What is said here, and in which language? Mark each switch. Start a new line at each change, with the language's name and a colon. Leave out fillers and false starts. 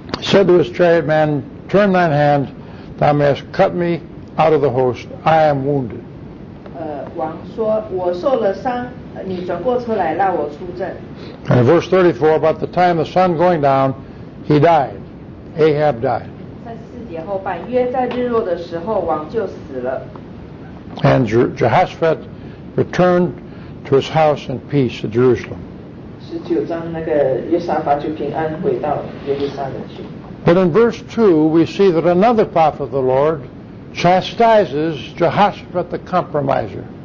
English: Said to his chariot man, turn thine hand, thou mayest cut me out of the host, I am wounded. And verse 34, about the time the sun going down, he died. Ahab died.
Chinese: 34节后半，约在日落的时候，王就死了。
English: And Jehoshaphat returned to his house in peace at Jerusalem. But in verse 2, we see that another prophet of the Lord chastises Jehoshaphat the compromiser.